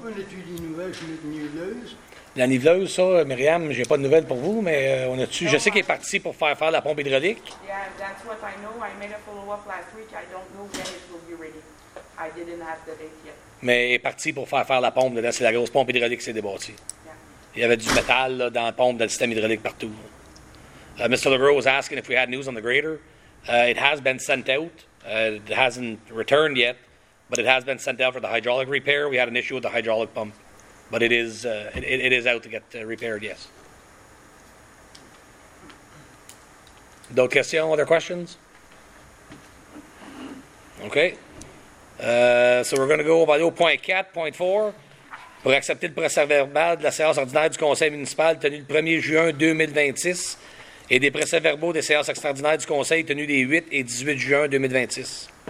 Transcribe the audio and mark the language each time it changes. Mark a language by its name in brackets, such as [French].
[French] On a-tu des nouvelles sur notre niveleuse? La niveleuse, ça, Myriam, j'ai pas de nouvelles pour vous, mais on a-tu... Je sais qu'il est parti pour faire la pompe hydraulique. [English] Yeah, that's what I know. I made a follow-up last week. I don't know when it will be ready. I didn't have the date yet. [French] Mais il est parti pour faire la pompe dedans. C'est la grosse pompe hydraulique qui s'est débattue. [English] Yeah. [French] Il y avait du métal là, dans la pompe, dans le système hydraulique partout. [English] Mr. LeGros was asking if we had news on the grader. It has been sent out. It hasn't returned yet, but it has been sent out for the hydraulic repair. We had an issue with the hydraulic pump. But it is it is out to get repaired, yes. [French] D'autres questions? [English] Other questions? Okay. So we're going to go over to point 4, point 4. [French] Pour accepter le procès-verbal de la séance ordinaire du Conseil municipal tenu le 1er juin 2026 et des procès-verbaux des séances extraordinaires du Conseil tenues les 8 et 18 juin 2026.